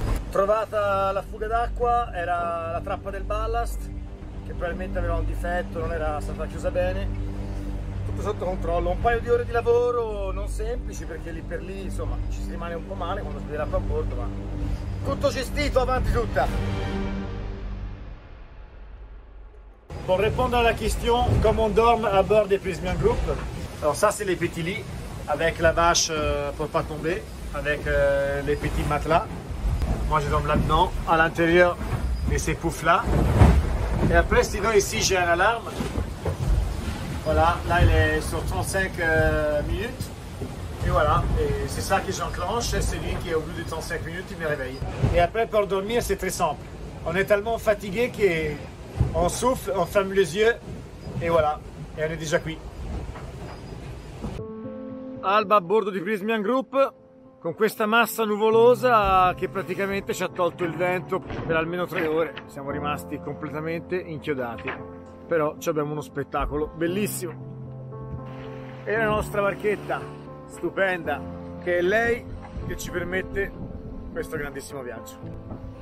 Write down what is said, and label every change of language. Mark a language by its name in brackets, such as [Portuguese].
[Italian] Trovata la fuga d'acqua, era la trappa del ballast che probabilmente aveva un difetto, non era stata chiusa bene, tutto sotto controllo. Un paio di ore di lavoro non semplici, perché lì per lì insomma ci si rimane un po' male quando si vede l'acqua a bordo, ma tutto gestito, avanti tutta. [French] Pour répondre à la question, comment on dort à bord des Prismian Group? Alors ça c'est les petits lits avec la vache pour pas tomber, avec les petits matelas. Moi je dors là-dedans, à l'intérieur de ces poufs-là. Et après sinon ici j'ai un alarme. Voilà, là il est sur 35 minutes. Et voilà, et c'est ça que j'enclenche, et c'est lui qui au bout de 35 minutes il me réveille. Et après pour dormir c'est très simple. On est tellement fatigué que... On souffle, on ferme les yeux et voilà, et on est déjà qui. [Italian] Alba a bordo di Prismian Group, con questa massa nuvolosa che praticamente ci ha tolto il vento per almeno 3 ore. Siamo rimasti completamente inchiodati, però abbiamo uno spettacolo bellissimo. E la nostra barchetta stupenda, che è lei che ci permette questo grandissimo viaggio.